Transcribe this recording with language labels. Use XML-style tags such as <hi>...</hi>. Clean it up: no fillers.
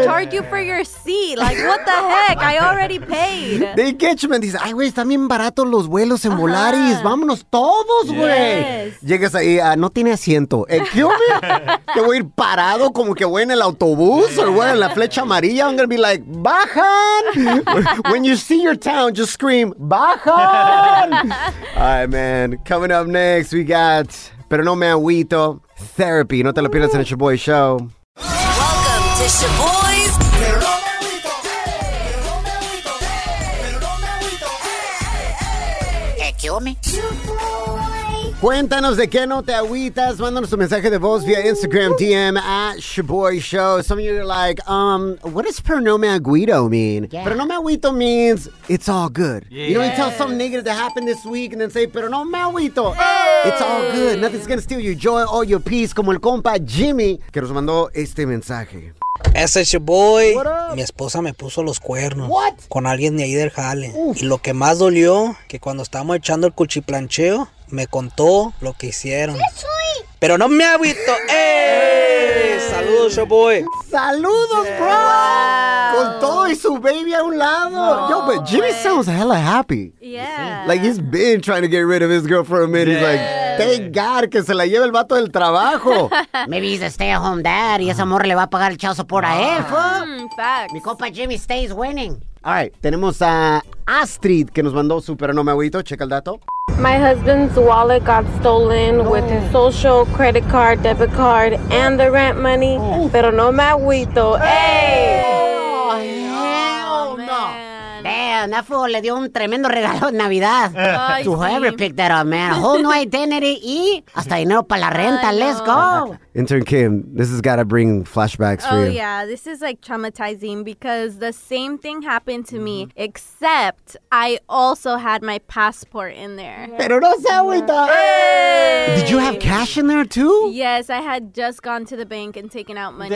<en>They charge you for your seat. Like, what the heck? I already paid. They get you, man.</en> <es>Dice, ay, güey, están bien baratos los vuelos en Volaris. Vámonos todos, güey.</es> <en>Yes.</en> <es>Llegas ahí, no tiene asiento. ¿Qué, que voy a ir parado como que voy en el autobús o voy en la flecha amarilla?</es> <en>I'm going to be like, bajan. When you see your town, just scream, bajan. All right, man. Coming up next, we got Pero No Me Agüito Therapy.</en> <es>No te lo pierdas en el Shaboy Show.</es> <en>Welcome to Shaboy's</en> <es>Pero Cuéntanos de qué no te agüitas. Mándanos tu mensaje de voz via Instagram DM at Shaboy Show.</es> <en>Some of you are like, what does Pero No Me Agüito mean? Yeah. Pero No Me Agüito means it's all good. Yeah. You know, you tell something negative to happen this week and then say, Pero No Me Agüito. Hey. It's all good. Nothing's going to steal your joy or your peace.</en> <es>Como el compa Jimmy, que nos mandó este mensaje. Ese es Shaboy. Mi esposa me puso los cuernos.</es> <en>What?</en> <es>Con alguien de ahí del jale. Y lo que más dolió, que cuando estábamos echando el cuchiplancheo, me contó lo que hicieron. Pero no me agüito. ¡Ey! Saludos, Shaboy. Saludos, bro.</es> <en>Wow.</en> <es>Con todo y su baby a un lado. No,</es> <en>yo, but Jimmy way. Sounds hella happy. Yeah. Like he's been trying to get rid of his girl for a minute. Yeah. He's like, thank God</en> <es>que se la lleve el vato del trabajo.</es> <en>Maybe he's a stay-at-home dad</en> <es>y esa morra le va a pagar el</es> <en>child support</en> <es>a él, fo.</es> <en>Facts.</en> <es>Mi compa</es> <en>Jimmy stays winning. All right,</en> <es>tenemos a Astrid que nos mandó su Pero No Me Agüito. Checa el dato.</es> <en>My husband's wallet got stolen with his social, credit card, debit card, and the rent money.</en> <es>Pero no me agüito. Hey!</es> <en>Oh, hell no. Damn, that fool</en> <es>le dio un tremendo regalo de Navidad.</es> <en>To whoever picked that up, man. A whole new identity</en> <es>y hasta dinero para la renta.</es> <en>Let's go. Intern Kim, this has got to bring flashbacks for you. Oh, yeah. This is like traumatizing because the same thing happened to me, except I also had my passport in there.</en> <es>Pero no se agüita.</es> <en>Did you have cash in there too? Yes, I had just gone to the bank and taken out money.</en>